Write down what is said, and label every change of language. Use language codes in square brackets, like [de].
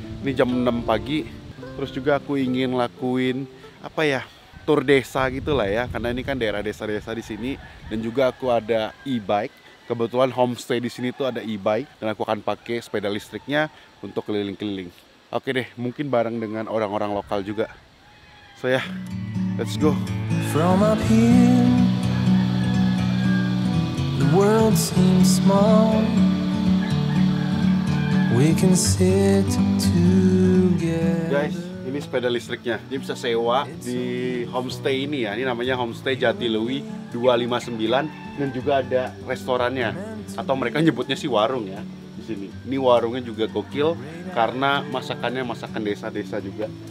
[id] Ini jam 6 pagi. Terus juga aku ingin lakuin apa ya? Tur desa gitulah ya, karena ini kan daerah desa-desa di sini, dan juga aku ada e-bike. Kebetulan homestay di sini tuh ada e-bike, dan aku akan pakai sepeda listriknya untuk keliling-keliling. Oke deh, mungkin bareng dengan orang-orang lokal juga. [en] So ya, let's go. From up here, the world seems small. We can sit together. [id] Guys, ini sepeda listriknya. Dia bisa sewa di homestay ini ya. Ini namanya Homestay Jatiluwi 259. Dan juga ada restorannya, atau mereka nyebutnya sih warung ya di sini. Ini warungnya juga gokil karena masakannya masakan desa-desa juga.